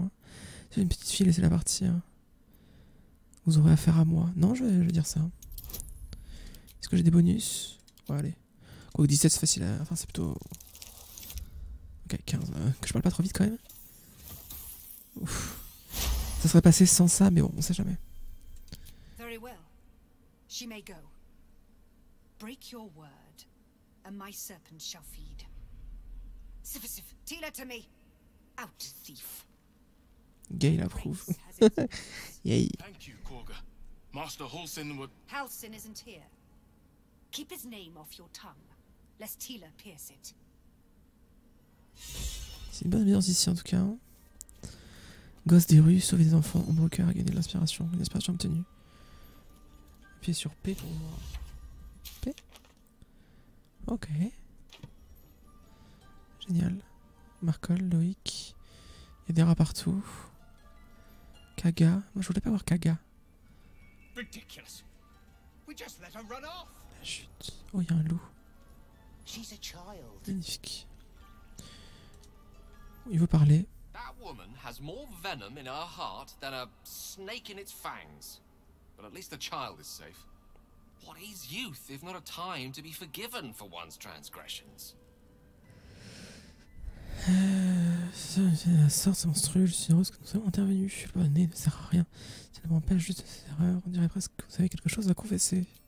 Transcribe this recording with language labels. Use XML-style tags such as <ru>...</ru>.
<fr>Hein. Une petite fille, laissez-la partir. Vous aurez affaire à moi. Non, je vais dire ça. Est-ce que j'ai des bonus? Ouais, allez. Quoique 17, c'est facile. Enfin, c'est plutôt. Ok, 15. Que je parle pas trop vite quand même. Ouf. Ça serait passé sans ça, mais bon, on sait jamais.</fr> <en>Very well. She may go. Break your word, and my serpent shall feed. Sif, sif, Teela to me. Out, thief.</en> <fr>Gay approuve. Yay.</fr> <en>Thank you, Koga. Master Halsin would. Halsin isn't here. Keep his name off your tongue, lest Teela pierce it.</en> <fr>C'est une bonne ambiance ici en tout cas. Gosse des rues, sauver des enfants, ombre au cœur, gagner de l'inspiration. Une inspiration obtenue. Appuyez sur P pour voir. P. Ok. Génial. Marcol, Loïc. Il y a des rats partout. Kaga, moi je voulais pas voir Kaga.</fr> <en>Ridiculous. We just let her run off.</en> <fr>La chute. Oh, il y a un loup.</fr> <en>She's a child.</en> <fr>Magnifique. Il veut parler.</fr> <en>That woman has more venom in her heart than a snake in its fangs. But at least the child is safe. What is youth if not a time to be forgiven for one's transgressions?</en> <fr>C'est la sorte, c'est monstrueux, je suis heureuse que nous sommes intervenus. Je suis pas né, ne sert à rien. Ça ne m'empêche juste de ces erreurs. On dirait presque que vous avez quelque chose à confesser.</fr>